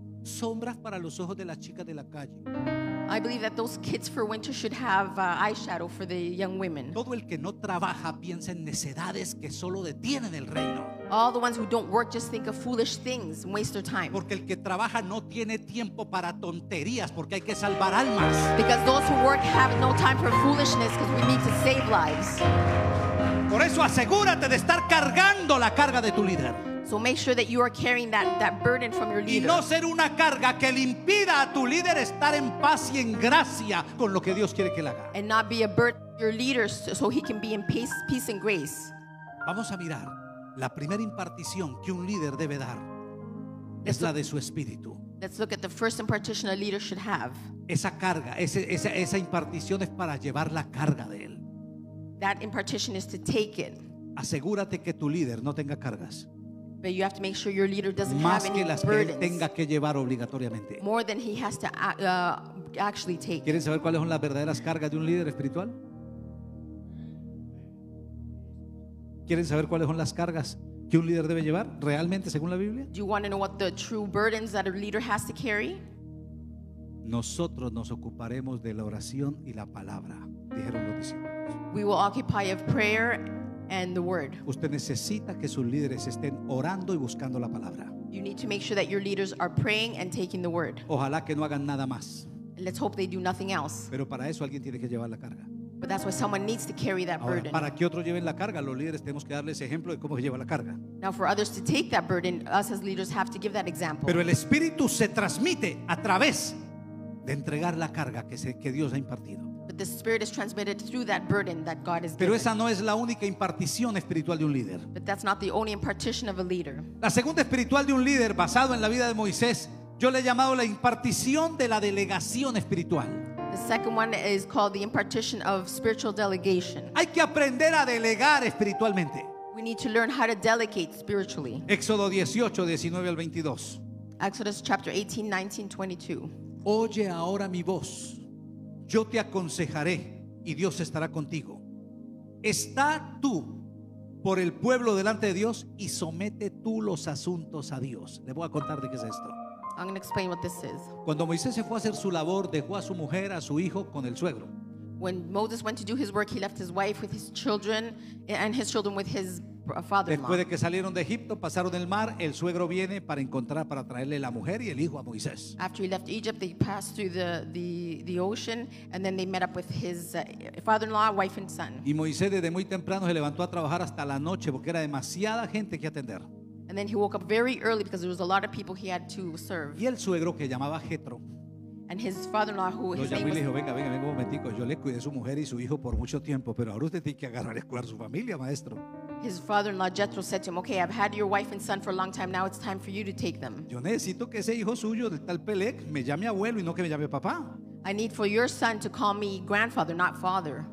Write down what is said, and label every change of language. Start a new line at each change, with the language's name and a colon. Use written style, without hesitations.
Spanish: Sombras para los ojos de las chicas de la calle.
English: I believe that those kits for winter should have eyeshadow for the young women.
Spanish: Todo el que no trabaja piensa en necedades que solo detienen el reino.
English: All the ones who don't work just think of foolish things and waste their time.
Spanish: Porque el que trabaja no tiene tiempo para tonterías porque hay que salvar almas.
English: Because those who work have no time for foolishness because we need to save lives.
Spanish: Por eso asegúrate de estar cargando la carga de tu líder.
English: So make sure that you are carrying that burden from your leader.
Spanish: Y no ser una carga que le impida a tu líder estar en paz y en gracia con lo que Dios quiere que él haga.
English: And not be a burden to your leader so he can be in peace and grace.
Spanish: Vamos a mirar la primera impartición que un líder debe dar. Es la de su espíritu.
English: Let's look at the first impartition a leader should have.
Spanish: Esa carga, esa impartición es para llevar la carga de él.
English: That impartition is to take it.
Spanish: Asegúrate que tu líder no tenga cargas.
English: But you have to make sure your leader doesn't have any burdens.
Spanish: Tenga que llevar obligatoriamente.
English: More than he has to actually take.
Spanish: ¿Quieren saber cuáles son las verdaderas cargas de un líder espiritual? ¿Quieren saber cuáles son las cargas que un líder debe llevar realmente según la Biblia?
English: Do you want to know what the true burdens that a leader has to carry?
Spanish: Nosotros nos ocuparemos de la oración y la palabra, dijeron los discípulos.
English: We will occupy of prayer and the word.
Spanish: Usted necesita que sus líderes estén orando y buscando la palabra.
English: You need to make sure that your leaders are praying and taking the word.
Spanish: Ojalá que no hagan nada más.
English: Let's hope they do nothing else.
Spanish: Pero para eso alguien tiene que llevar la carga.
English: But that's why someone needs to carry that
Spanish: Ahora,
English: burden.
Spanish: Para que otros lleven la carga, los líderes tenemos que darles ejemplo de cómo se lleva la carga.
English: Now for others to take that burden, us as leaders have to give that example.
Spanish: Pero el Espíritu se transmite a través de entregar la carga que Dios ha impartido.
English: But the Spirit is transmitted through that burden that God has given.
Spanish: Pero esa no es la única impartición espiritual de un líder.
English: But that's not the only impartition of a leader.
Spanish: La segunda espiritual de un líder basado en la vida de Moisés, yo le he llamado la impartición de la delegación espiritual.
English: The second one is called the impartition of spiritual delegation.
Spanish: Hay que aprender a delegar espiritualmente.
English: We need to learn how to delegate spiritually.
Spanish: Éxodo 18, 19 al 22.
English: Exodus chapter 18, 19, 22.
Spanish: Oye ahora mi voz. Yo te aconsejaré y Dios estará contigo. Está tú por el pueblo delante de Dios y somete tú los asuntos a Dios. Le voy a contar de qué es esto.
English: I'm going to explain what this is.
Spanish: Cuando Moisés se fue a hacer su labor, dejó a su mujer, a su hijo con el suegro.
English: When Moses went to do his work, he left his wife with his children and his children with his father-in-law.
Spanish: Después de que salieron de Egipto, pasaron el mar, el suegro viene para encontrar, para traerle la mujer y el hijo a Moisés.
English: After he left Egypt, they passed through the ocean and then they met up with his father-in-law, wife and son.
Spanish: Y Moisés desde muy temprano se levantó a trabajar hasta la noche porque era demasiada gente que atender.
English: And then he woke up very early because there was a lot of people he had to serve.
Spanish: Y el suegro que llamaba Jethro.
English: And his father-in-law who his name was.
Spanish: Le dijo, venga un momentico. Yo le cuidé su mujer y su hijo por mucho tiempo, pero ahora usted tiene que agarrar y cuidar su familia, maestro.
English: His father-in-law Jethro said to him, okay, I've had your wife and son for a long time. Now it's time for you to take them.
Spanish: Yo necesito que ese hijo suyo del tal Pelec me llame abuelo y no que me llame papá.
English: I need for your son to call me grandfather, not father.